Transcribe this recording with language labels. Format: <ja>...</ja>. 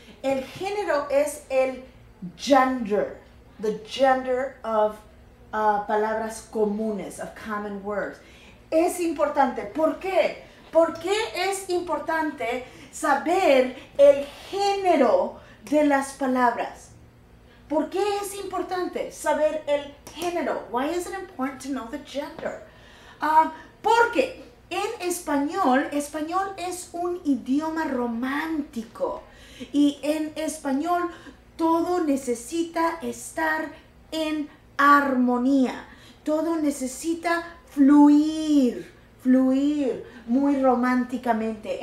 <es>El género es el gender,</es> <en>the gender of</en> <es>palabras comunes,</es> <en>of common words.</en> <es>Es importante, ¿por qué? ¿Por qué es importante saber el género de las palabras? ¿Por qué es importante saber el género?</es> <en>Why is it important to know the gender?</en> <es>Porque en español, español es un idioma romántico. Y en español todo necesita estar en armonía. Todo necesita fluir muy románticamente.</es>